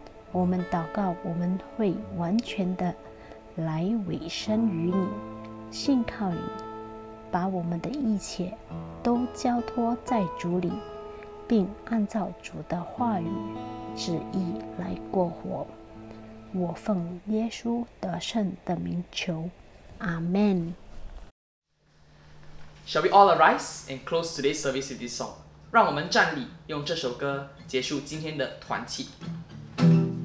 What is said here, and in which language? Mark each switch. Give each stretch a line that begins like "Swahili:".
Chinese: 我们祷告我们会完全的来委身于你，信靠你，把我们的一切都交托在主里，并按照主的话语旨意来过活。我奉耶稣得胜的名求，阿们。
English: Shall we all arise and close today's service with this song?
Chinese: 让我们站立，用这首歌结束今天的团契。